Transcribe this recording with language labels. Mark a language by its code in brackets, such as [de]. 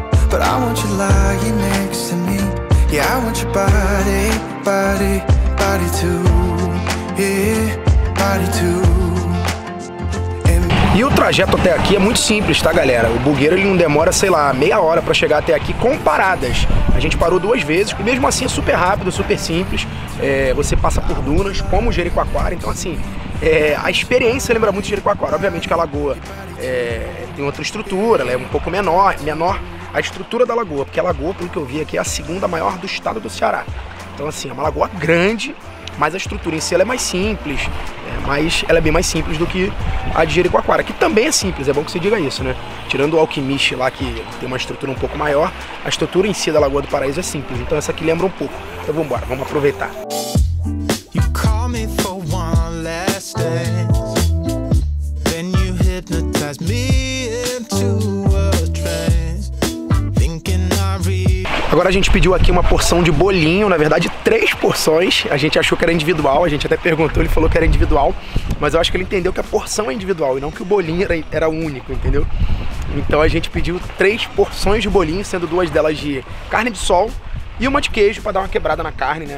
[en] But I want you lying next to me. Yeah, I want your body, body, body too. Yeah, body too. [pt] E o trajeto até aqui é muito simples, tá, galera? O bugueiro, ele não demora, sei lá, meia hora pra chegar até aqui com paradas. A gente parou duas vezes, e mesmo assim é super rápido, super simples. É, você passa por dunas, como o Jericoacoara. Então, assim, é, a experiência lembra muito o Jericoacoara. Obviamente que a lagoa é, tem outra estrutura, ela é um pouco menor a estrutura da lagoa. Porque a lagoa, pelo que eu vi aqui, é a segunda maior do estado do Ceará. Então, assim, é uma lagoa grande, mas a estrutura em si ela é mais simples. Mas ela é bem mais simples do que a de Jericoacoara, que também é simples, é bom que você diga isso, né? Tirando o Alquimiche lá, que tem uma estrutura um pouco maior, a estrutura em si da Lagoa do Paraíso é simples, então essa aqui lembra um pouco. Então vambora, vamos aproveitar. [en] You call me for one last dance. Then you hypnotize me into a trance. Thinking I read. [pt] Agora a gente pediu aqui uma porção de bolinho, na verdade três porções. A gente achou que era individual, a gente até perguntou, ele falou que era individual, mas eu acho que ele entendeu que a porção é individual e não que o bolinho era único, entendeu? Então a gente pediu três porções de bolinho, sendo duas delas de carne de sol e uma de queijo, pra dar uma quebrada na carne, né?